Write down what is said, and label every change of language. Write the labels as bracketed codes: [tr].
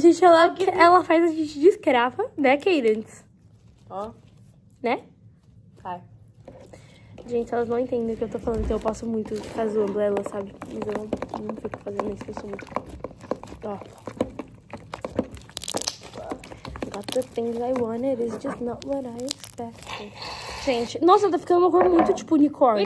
[pt] Gente, ela faz a gente de escrava, né, Cadence? Ó. Oh. Né? Tá. Gente, elas não entendem o que eu tô falando, então eu posso muito ficar zoando ela, sabe? Mas eu não fico fazendo isso, eu sou muito... Ó. [en] Got the things I wanted, it's just not what I expected. [pt] Gente, nossa, tá ficando uma cor muito, tipo, unicórnio.